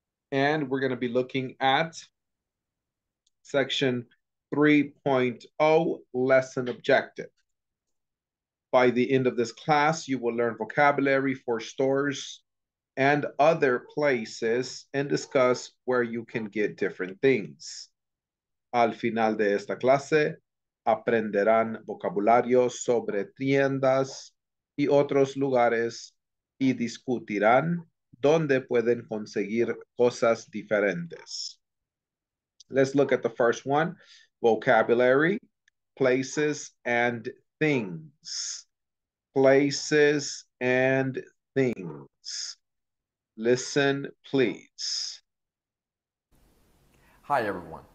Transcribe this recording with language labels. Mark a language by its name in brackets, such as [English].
[English] And we're going to be looking at section 3.0, lesson objective. By the end of this class, you will learn vocabulary for stores and other places and discuss where you can get different things. [Spanish] Al final de esta clase, aprenderán vocabulario sobre tiendas y otros lugares y discutirán dónde pueden conseguir cosas diferentes. [English] Let's look at the first one, vocabulary, places and things. Places and things. Listen, please. Hi, everyone.